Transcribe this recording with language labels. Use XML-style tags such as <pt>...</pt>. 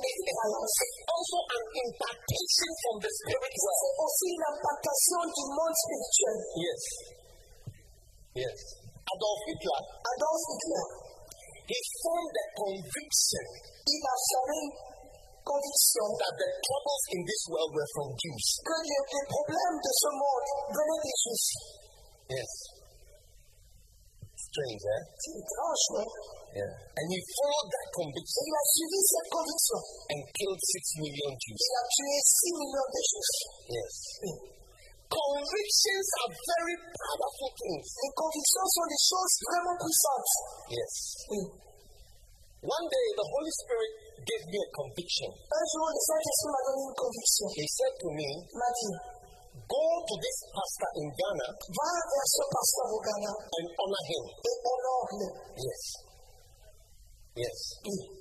<en>it's also an impartation from the Spirit world.</en> <fr>C'est aussi une impartation du monde spirituel.</fr> <en>Yes. Yes. Adolf Hitler. Adolf Hitler. He formed the conviction.</en> <fr>Il a formé conviction</fr> <en>that the troubles in this world were from Jews.</en> <fr>Que les problèmes de ce monde venaient des Juifs.</fr> <en>Yes. Strange, eh?</en> <fr>C'est étrange, non?</fr> <en>Yeah. And he followed that conviction.</en> <fr>Il a suivi cette conviction.</fr> <en>And killed 6 million Jews.</en> <fr>Il a tué 6 millions de Juifs.</fr> <en>Yes. Convictions are very powerful things.</en> <fr>Les convictions sont des choses vraiment puissantes.</fr> <en>Yes. One day, the Holy Spirit gave me a conviction.</en> <fr>Un jour, le Saint-Esprit m'a donné une conviction.</fr> <en>He said to me, Matthew, go to this pastor in Ghana.</en> <fr>Va vers ce pasteur au Ghana.</fr> <en>And honor him.</en> <fr>Et honore-le.</fr> <en>Yes. Yes.</en> <fr>Oui.</fr>